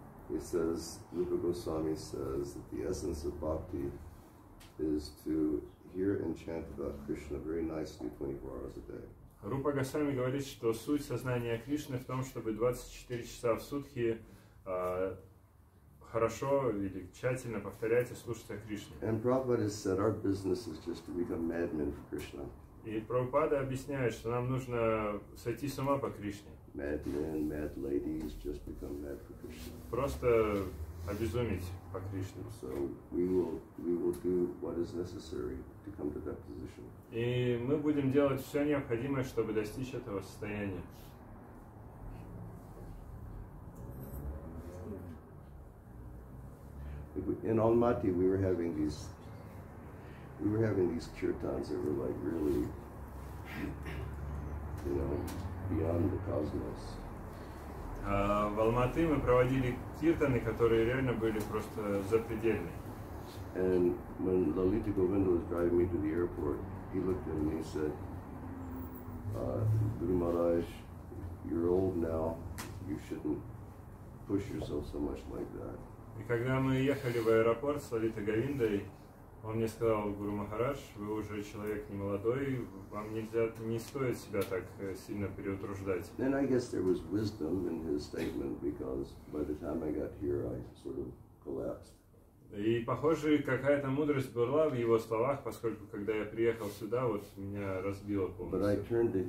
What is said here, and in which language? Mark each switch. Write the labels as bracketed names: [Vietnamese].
[English] He says, Rupa Goswami says that the essence of bhakti is to hear and chant about Krishna very nicely 24 hours a day. [Russian] Rupa Goswami говорит, что суть сознания Кришны в том, чтобы 24 часа в сутки хорошо или тщательно повторять и слушать о Кришне. [English] And Prabhupada has said our business is just to become madmen for Krishna. [Russian] И Прабхупада объясняет, что нам нужно сойти с ума по Кришне. [English] Madmen, mad ladies just become mad for Krishna. [Russian] Просто обезумить по Кришне. [English] So we will do what is necessary to come to that position. [Russian] И мы будем делать все необходимое, чтобы достичь этого состояния. [English] In Almaty we were having these kirtans that were like really, you know, beyond the cosmos. [Russian] В Алматы мы проводили киртаны, которые реально были просто запредельные. [English] And when Lalita Govinda was driving me to the airport, he looked at me and he said, Guru Maharaj, you're old now, you shouldn't push yourself so much like that. [Russian] И когда мы ехали в аэропорт с Лалитой Говиндой, он мне сказал, Гуру Махарадж, вы уже человек немолодой, вам нельзя, не стоит себя так сильно переутруждать. [English] Then I guess there was wisdom in his statement, because by the time I got here, I sort of collapsed. [Russian] И, похоже, какая-то мудрость была в его словах, поскольку, когда я приехал сюда, вот меня разбило полностью.